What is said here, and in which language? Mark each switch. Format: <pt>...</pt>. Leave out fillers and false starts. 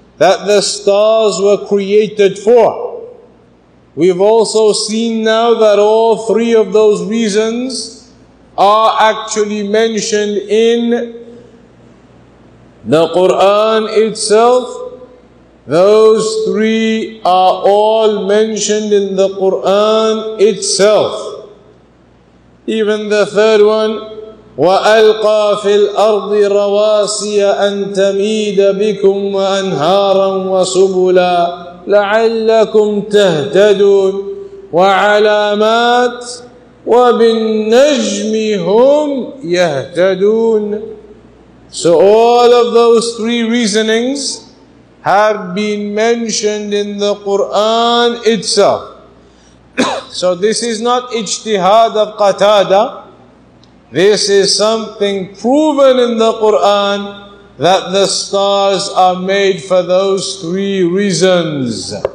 <en>that the stars were created for. We've also seen now that all three of those reasons are actually mentioned in the Quran itself. Those three are all mentioned in the Quran itself. Even the third one,</en> <ar>وَأَلْقَى فِي الْأَرْضِ رَوَاسِيَ أَن تَمِيدَ بِكُمْ وَأَنْهَارًا وَسُبُلًا لَعَلَّكُمْ تَهْتَدُونَ وَعَلَامَاتٍ وَبِالنَّجْمِ هُمْ يَهْتَدُونَ.</ar> <en>So all of those three reasonings have been mentioned in the Quran itself. So this is not ijtihad of Qatada. This is something proven in the Quran that the stars are made for those three reasons.</en>